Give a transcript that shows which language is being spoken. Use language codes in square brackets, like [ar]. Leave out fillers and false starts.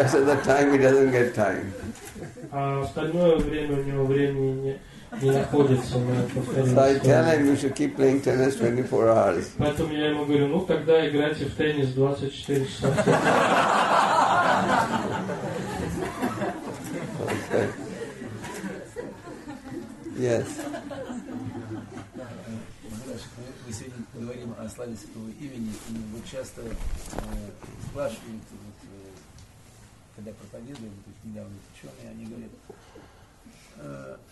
[en] Rest of the time he doesn't get time. [ru] А остальное время у него времени нет. [en] So I tell him you should keep playing tennis 24 hours. [ru] Поэтому я ему говорю, ну тогда играйте в теннис 24 часа. [en] Okay. Yes. [ru] Мы сегодня говорим о славе святого имени, и вы часто спрашиваете, вот, когда проповедуем, то есть недавно ученые, они говорят.